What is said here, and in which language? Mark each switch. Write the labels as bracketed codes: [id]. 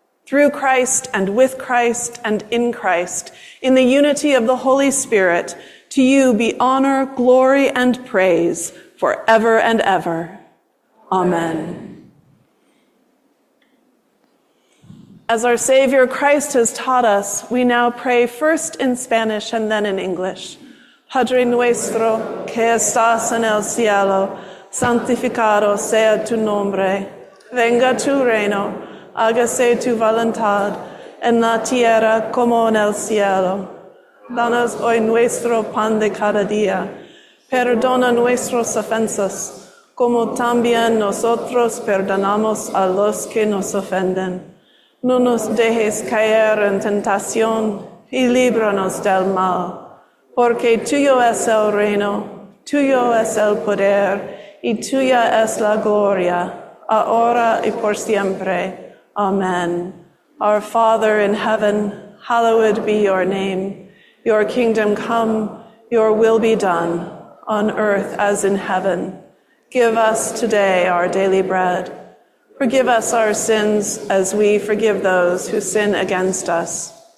[en] Through Christ and with Christ and in Christ, in the unity of the Holy Spirit, to you be honor, glory, and praise forever and ever. Amen. As our Savior Christ has taught us, we now pray first in Spanish and then in English. [es] Padre nuestro, que estás en el cielo, santificado sea tu nombre. Venga tu reino, hágase tu voluntad, en la tierra como en el cielo. danos hoy nuestro pan de cada día. Perdona nuestras ofensas, como también nosotros perdonamos a los que nos ofenden. No nos dejes caer en tentación y líbranos del mal. Porque tuyo es el reino, tuyo es el poder y tuya es la gloria, ahora y por siempre. Amen. [en] Our Father in heaven, hallowed be your name. Your kingdom come, your will be done, on earth as in heaven. Give us today our daily bread. Forgive us our sins as we forgive those who sin against us.